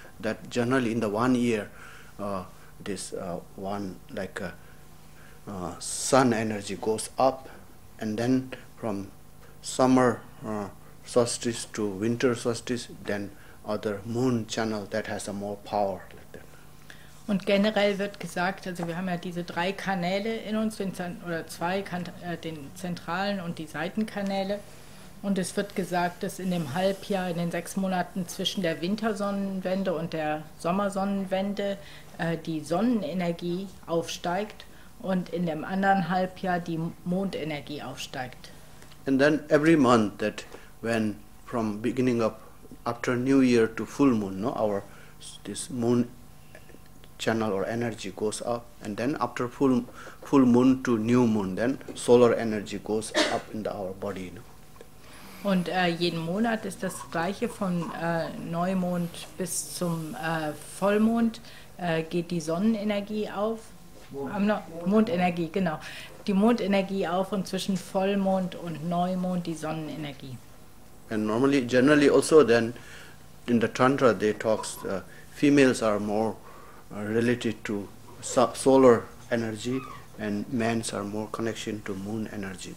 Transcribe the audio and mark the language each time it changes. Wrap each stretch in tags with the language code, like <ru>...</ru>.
<en>That generally in the 1 year, this one like a, sun energy goes up, and then from summer solstice to winter solstice, then other moon channel that has a more power.</en> <de>Und generell wird gesagt, also wir haben ja diese drei Kanäle in uns, den zentralen und die Seitenkanäle. Und es wird gesagt, dass in dem Halbjahr, in den 6 Monaten zwischen der Wintersonnenwende und der Sommersonnenwende die Sonnenenergie aufsteigt und in dem anderen Halbjahr die Mondenergie aufsteigt.</de> <en>And then every month that when from beginning of after New Year to full moon, no, our this moon channel or energy goes up, and then after full moon to new moon, then solar energy goes up in our body, no.</en> <de>Und jeden Monat ist das Gleiche, von Neumond bis zum Vollmond geht die Sonnenenergie auf. Mondenergie, genau. Die Mondenergie auf, und zwischen Vollmond und Neumond die Sonnenenergie.</de> <en>And normally, generally also then in the Tantra they talk, females are more related to solar energy. And men are more connection to moon energy.</en>